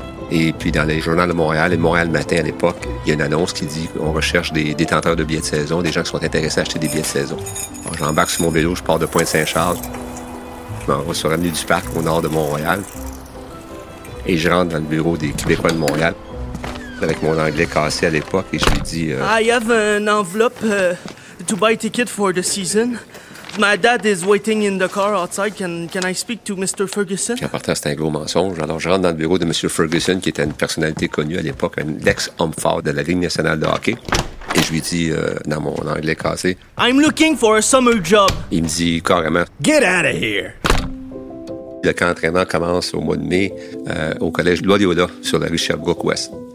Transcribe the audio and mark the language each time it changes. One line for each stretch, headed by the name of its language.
French: Et puis, dans les journaux de Montréal, et Montréal Matin à l'époque, il y a une annonce qui dit qu'on recherche des détenteurs de billets de saison, des gens qui sont intéressés à acheter des billets de saison. Alors, j'embarque sur mon vélo, je pars de Pointe-Saint-Charles. Je m'en vais sur l'avenue du Parc, au nord de Montréal. Et je rentre dans le bureau des Québécois de Montréal, avec mon anglais cassé à l'époque, et je lui dis...
English: I have an envelope to buy ticket for the season. My dad is waiting in the car outside. Can I speak to Mr. Ferguson?
French: Puis en partant, c'est un gros mensonge. Alors, je rentre dans le bureau de M. Ferguson, qui était une personnalité connue à l'époque, un ex-homme fort de la Ligue nationale de hockey. Et je lui dis, dans mon anglais cassé...
English: I'm looking for a summer job.
French: Il me dit carrément...
English: Get out of here!
French: Le camp d'entraînement commence au mois de mai au collège Loyola, sur la rue Sherbrooke-Ouest.